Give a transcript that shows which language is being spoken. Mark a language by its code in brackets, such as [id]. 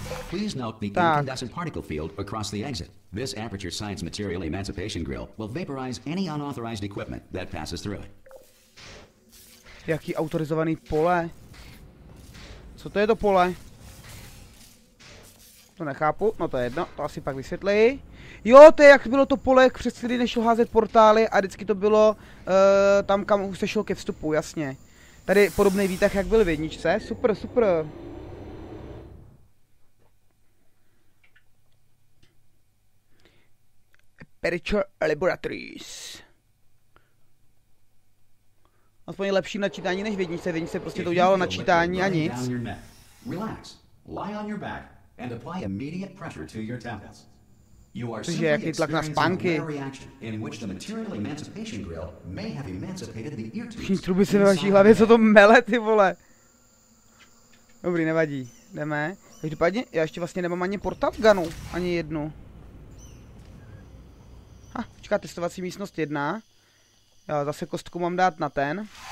[en] Please note the incandescent particle field across the exit. This Aperture Science Material Emancipation Grill will vaporize any unauthorized equipment that passes through it. [cs] Jaký autorizovaný pole? Co to je to pole? To nechápu, no to je jedno, to asi pak vysvětlí. Jo, to je jak bylo to pole, jak přes chvíli nešlo házet portály a vždycky to bylo tam, kam už se šlo ke vstupu, jasně. Tady podobný výtah, jak byl v jedničce, super, super. [en] Aperture Laboratories. [cs] Aspoň lepší načítání než vědnice, vědnice prostě to udělalo načítání a nic. [en] Relax. Lie on your back and apply immediate pressure to your temples. You are simply experiencing a reaction in which the material emancipation grill may have emancipated the ear tubes. [cs] Všichni truby se ve vaší hlavě, co to mele, ty vole. Dobrý, nevadí. Jdeme. Každopádně, já ještě vlastně nemám ani portal gunu, ani jednu. Počká, testovací místnost 1. Jo, zase kostku mám dát na ten.